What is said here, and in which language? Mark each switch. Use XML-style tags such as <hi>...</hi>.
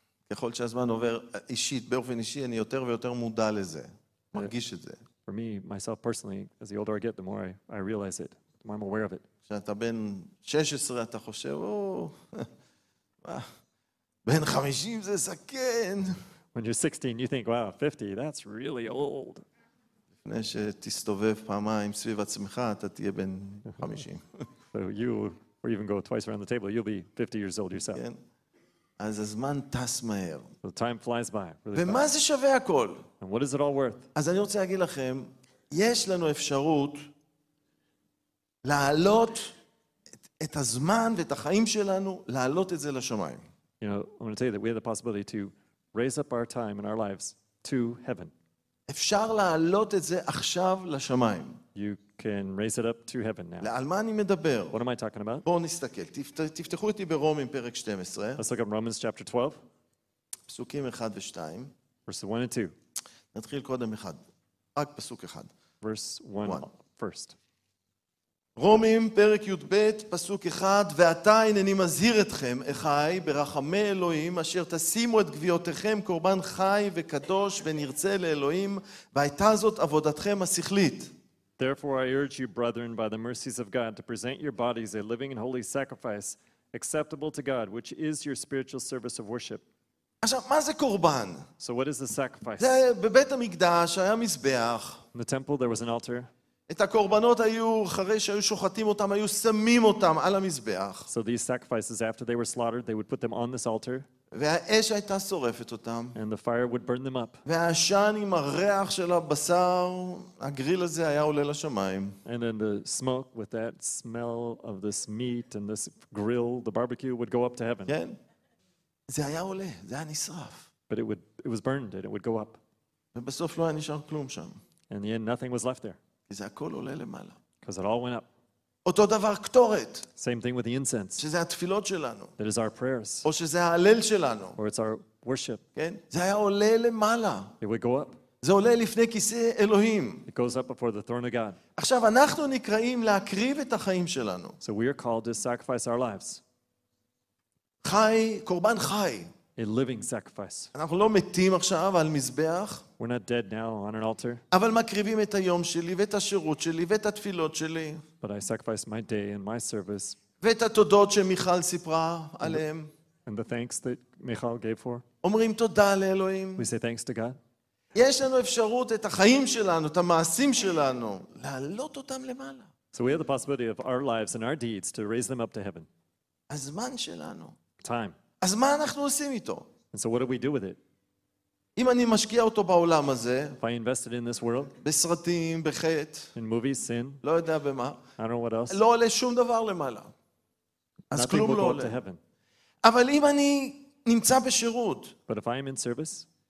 <he>ככל שהזמן עובר אישית, באופן אישי, אני יותר ויותר מודע לזה. מרגיש את זה.</he> <en>For me, myself personally, as the older I get, the more I realize it. The more I'm aware of it.</en> <he>כשאתה בן 16, אתה חושב, או, בן 50 זה זקן.</he> <en>When you're 16, you think, wow, 50, that's really old.</en> <he>לפני שתסתובב פעמיים סביב עצמך, אתה תהיה בן 50.</he> <en>So you, or even go twice around the table, you'll be 50 years old yourself.</en> <he>כן. אז הזמן טס מהר.</he> <en>The time flies by. Really</en> <he>ומה</he> <en>fast.</en> <he>זה שווה הכל?</he> <en>And what is it all worth?</en> <he>אז אני רוצה להגיד לכם, יש לנו אפשרות להעלות את הזמן ואת החיים שלנו, להעלות את זה לשמיים.</he> <en>You know, I'm going to tell you that we have the possibility to raise up our time and our lives to heaven.</en> <he>אפשר להעלות את זה עכשיו לשמיים.</he> <en>You can raise it up to heaven now.</en> <he>לעל מה אני מדבר?</he> <en>What am I talking about?</en> <he>בואו נסתכל. תפתחו איתי ברומים פרק 12.</he> <en>Let's look at Romans chapter 12.</en> <he>פסוקים 1 ו-2.</he> <en>Verse 1 and 2.</en> <he>נתחיל קודם אחד. רק פסוק אחד.</he> <en>Verse 1. First.</en> <he>רומים פרק י"ב, פסוק 1. ועתה הנני מזהיר אתכם, אחי, ברחמי אלוהים, אשר תשימו את גוויותיכם קורבן חי וקדוש ונרצה לאלוהים, והייתה זאת עבודתכם השכלית.</he> <en>Therefore I urge you, brethren, by the mercies of God, to present your bodies a living and holy sacrifice, acceptable to God, which is your spiritual service of worship.</en> <he>עכשיו, מה זה קורבן?</he> <en>So what is the sacrifice?</en> <he>זה בבית המקדש, היה מזבח.</he> <en>In the temple, there was an altar.</en> <he>את הקורבנות היו, אחרי שהיו שוחטים אותם, היו שמים אותם על המזבח.</he> <en>So these sacrifices, after they were slaughtered, they would put them on this altar.</en> <he>והאש הייתה שורפת אותם.</he> <en>And the fire would burn them up.</en> <he>והעשן עם הריח של הבשר, הגריל הזה היה עולה לשמיים.</he> <en>And then the smoke with that smell of this meat and this grill, the barbecue would go up to heaven.</en> <he>כן. זה היה עולה, זה היה נשרף.</he> <en>But it was burned and it would go up.</en> <he>ובסוף לא היה נשאר כלום שם.</he> <en>In the end, nothing was left there.</en> <he>כי זה הכל עולה למעלה.</he> <en>Because it all went up.</en> <he>אותו דבר קטורת.</he> <en>Same thing with the incense.</en> <he>שזה התפילות שלנו.</he> <en>That is our prayers.</en> <he>או שזה ההלל שלנו.</he> <en>Or it's our worship.</en> <he>כן? זה היה עולה למעלה.</he> <en>It would go up.</en> <he>זה עולה לפני כיסא אלוהים.</he> <en>It goes up before the throne of God.</en> <he>עכשיו אנחנו נקראים להקריב את החיים שלנו.</he> <en>So we are called to sacrifice our lives.</en> <he>חי, קורבן חי.</he> <en>A living sacrifice.</en> <he>אנחנו לא מתים עכשיו על מזבח.</he> <en>We're not dead now on an altar.</en> <he>אבל מקריבים את היום שלי ואת השירות שלי ואת התפילות שלי.</he> <en>But I sacrifice my day and my service.</en> <he>ואת התודות שמיכל סיפרה עליהם.</he> <en>and the thanks that Michal gave for?</en> <he>אומרים תודה לאלוהים.</he> <en>We say thanks to God.</en> <he>יש לנו אפשרות את החיים שלנו, את המעשים שלנו, להעלות אותם למעלה.</he> <en>So we have the possibility of our lives and our deeds to raise them up to heaven.</en> <he>הזמן שלנו.</he> <en>Time.</en> <he>אז מה אנחנו עושים איתו?</he> <en>And so what do we do with it?</en> <he>אם אני משקיע אותו בעולם הזה,</he> <en>if I invested in this world,</en> <he>בסרטים, בחטא,</he> <en>in movies, sin,</en> <he>לא יודע במה,</he> <en>I don't know what else,</en> <he>לא עולה שום דבר למעלה. אז כלום לא עולה. אבל אם אני נמצא בשירות,</he> <en>but if I am in service,</en>